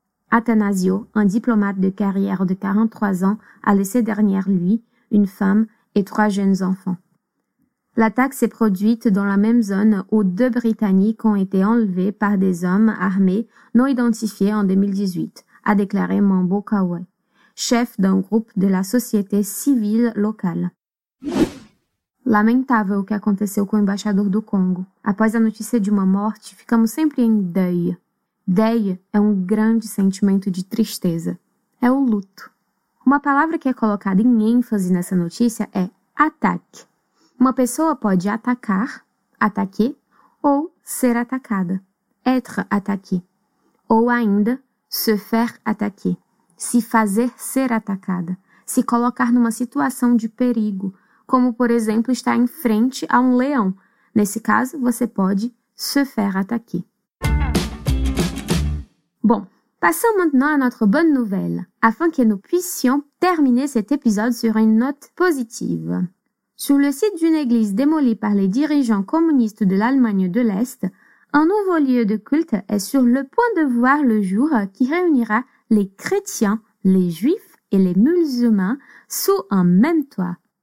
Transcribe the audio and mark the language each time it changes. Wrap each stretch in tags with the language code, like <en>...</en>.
<fr>Athanasio, un diplomate de carrière de 43 ans, a laissé derrière lui une femme et trois jeunes enfants. L'attaque s'est produite dans la même zone où deux Britanniques ont été enlevés par des hommes armés non identifiés en 2018, a déclaré Mambo Kawe, chef d'un groupe de la société civile locale.</fr> <pt>Lamentável o que aconteceu com o embaixador do Congo. Após a notícia de uma morte, ficamos sempre em deuil. Deuil é um grande sentimento de tristeza. É o luto. Uma palavra que é colocada em ênfase nessa notícia é ataque. Uma pessoa pode atacar, ataquer, ou ser atacada,</pt> <fr>être attaqué.</fr> <pt>Ou ainda,</pt> <fr>se faire attaquer,</fr> <pt>se fazer ser atacada, se colocar numa situação de perigo, como por exemplo estar em frente a um leão. Nesse caso, você pode</pt> <fr>se faire attaquer. Bom, passons maintenant à notre bonne nouvelle, afin que nous puissions terminer cet épisode sur une note positive. Sur le site d'une église démolie par les dirigeants communistes de l'Allemagne de l'Est, un nouveau lieu de culte est sur le point de voir le jour qui réunira les chrétiens, les juifs et les musulmans sous un même toit.</fr>